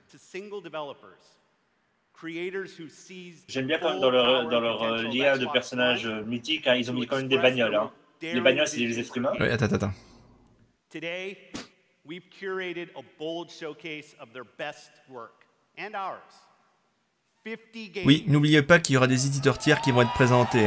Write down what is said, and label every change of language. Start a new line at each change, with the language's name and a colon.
French: J'aime bien quand même dans leur lien de personnages mythiques, hein, ils ont mis quand même des bagnoles. Hein. Les bagnoles, c'est des êtres humains. Oui, attends.
English: Today, we've curated a bold showcase of their best work and ours.
French: Oui, n'oubliez pas qu'il y aura des éditeurs tiers qui vont être présentés.